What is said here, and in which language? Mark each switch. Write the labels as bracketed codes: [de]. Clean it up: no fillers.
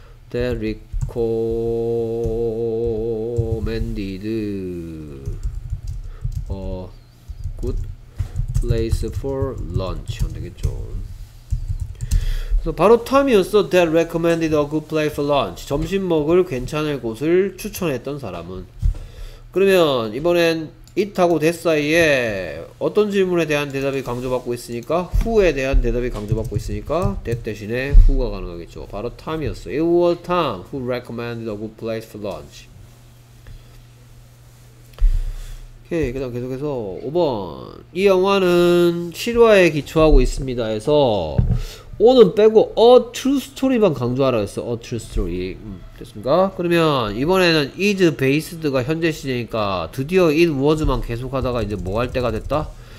[en] that recommended a good place for lunch [ko] 하면 되겠죠. 그래서 바로 Tom이었어. [en] That recommended a good place for lunch. [ko] 점심 먹을 괜찮을 곳을 추천했던 사람은. 그러면 이번엔 it하고 that 사이에 어떤 질문에 대한 대답이 강조받고 있으니까 who에 대한 대답이 강조받고 있으니까 that 대신에 who가 가능하겠죠. 바로 Tom이었어. [en] It was Tom who recommended a good place for lunch. [ko] 오케이. 그다음 계속해서 5번. 이 영화는 실화에 기초하고 있습니다. 해서 오는 빼고 [en] A True Story [ko] 만 강조하라고 했어. A True Story. 됐습니까? 그러면 이번에는 is based가 현재 시제니까 드디어 it was만 계속하다가 이제 뭐 할 때가 됐다?